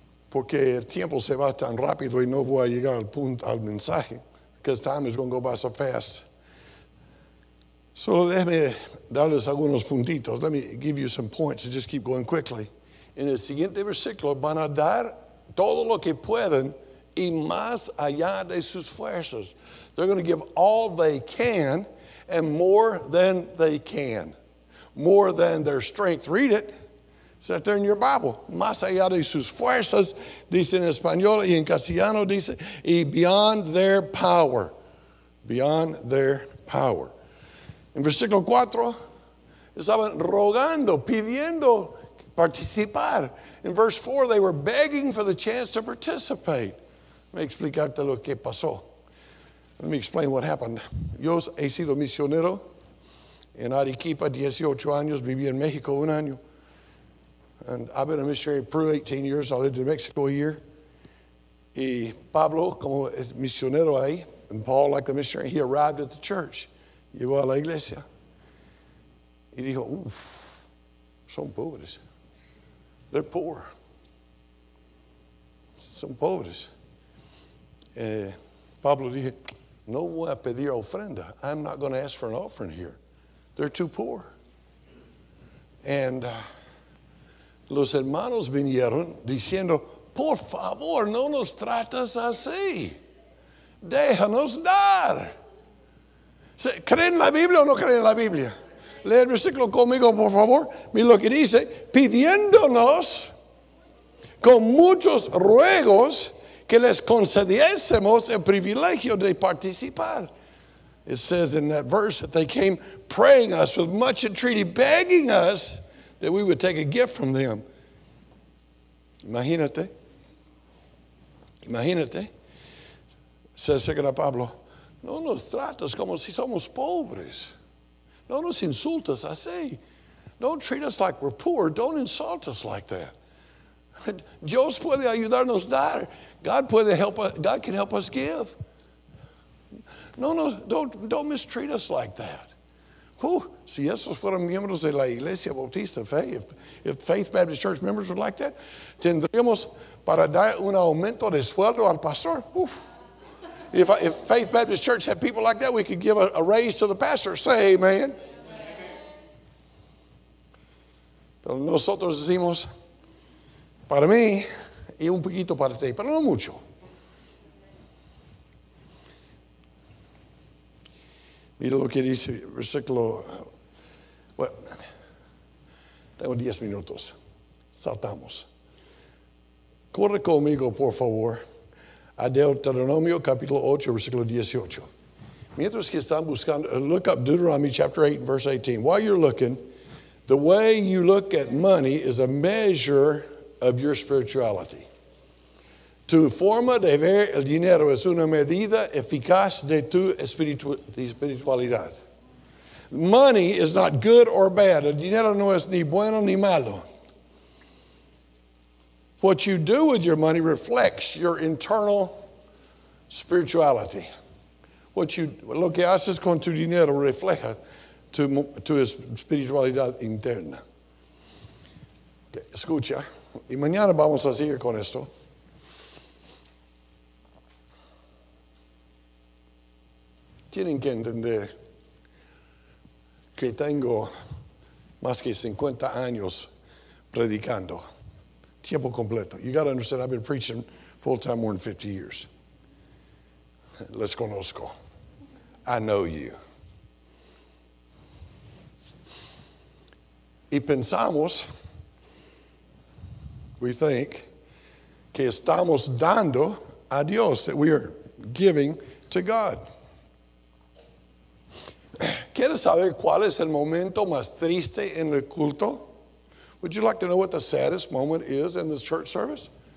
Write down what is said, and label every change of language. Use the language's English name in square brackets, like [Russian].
[Spanish] Porque el tiempo se va tan rápido y no voy a llegar al punto, al mensaje. [English] Because time is going to go by so fast. [Spanish] Solo déjeme darles algunos puntitos. [English] Let me give you some points and just keep going quickly. [Spanish] En el siguiente versículo van a dar todo lo que pueden y más allá de sus fuerzas. [English] They're going to give all they can and more than they can. More than their strength. Read it. Set there in your Bible. [Spanish] Más allá de sus fuerzas, dice en español y en castellano, dice, y [English] beyond their power. Beyond their power. [Spanish] En versículo 4, estaban rogando, pidiendo participar. [English] In verse 4, they were begging for the chance to participate. Let me [Spanish] explicarte lo que pasó. [English] Let me explain what happened. [Spanish] Yo he sido misionero en Arequipa, 18 años, viví en México un año. [English] And I've been a missionary in Peru 18 years. I lived in Mexico a year. [Spanish] Y Pablo, como misionero ahí, [English] and Paul, like a missionary, he arrived at the church. [Spanish] Llegó a la iglesia. Y dijo, uff, son pobres. [English] They're poor. [Spanish] Son pobres. Pablo dije, no voy a pedir ofrenda. [English] I'm not going to ask for an offering here. They're too poor. [Spanish] And los hermanos vinieron diciendo, por favor, no nos tratas así. Déjanos dar. ¿Creen la Biblia o no creen la Biblia? Lee el versículo conmigo, por favor. Mira lo que dice. Pidiéndonos con muchos ruegos que les concediésemos el privilegio de participar. [English] It says in that verse that they came praying us with much entreaty, begging us that we would take a gift from them. [Spanish] Imagínate. Imagínate. Says Segura Pablo, no nos tratas como si somos pobres. No nos insultes así. [English] Don't treat us like we're poor. Don't insult us like that. [Spanish] Dios puede ayudarnos a dar. [English] God puede help us. God can help us give. No, no, don't mistreat us like that. Whew. [Spanish] Si esos fueron miembros de la Iglesia Bautista Fe, [English] if Faith Baptist Church members were like that, [Spanish] tendríamos para dar un aumento de sueldo al pastor. Whew. [English] If Faith Baptist Church had people like that, we could give a raise to the pastor. Say amen. [Spanish] Pero nosotros decimos, para mí, y un poquito para ti, pero no mucho. Mira lo que dice versículo. Bueno, tengo 10 minutos. Saltamos. Corre conmigo, por favor. A Deuteronomio capítulo 8, versículo 18. Mientras que están buscando, [English] look up Deuteronomy chapter 8, verse 18. While you're looking, the way you look at money is a measure of your spirituality. [Spanish] Tu forma de ver el dinero es una medida eficaz de tu espiritualidad. [English] Money is not good or bad. [Spanish] El dinero no es ni bueno ni malo. [English] What you do with your money reflects your internal spirituality. [Spanish] Lo que haces con tu dinero refleja tu espiritualidad interna. Okay, escucha. Y mañana vamos a seguir con esto. Tienen que entender que tengo más que 50 años predicando. Tiempo completo. [English] You got to understand, I've been preaching full-time more than 50 years. [Spanish] Les conozco. [English] I know you. [Spanish] Y pensamos, [English] we think, [Spanish] que estamos dando a Dios, [English] that we are giving to God. [Spanish] ¿Quieres saber cuál es el momento más triste en el culto? [English] Would you like to know what the saddest moment is in this church service?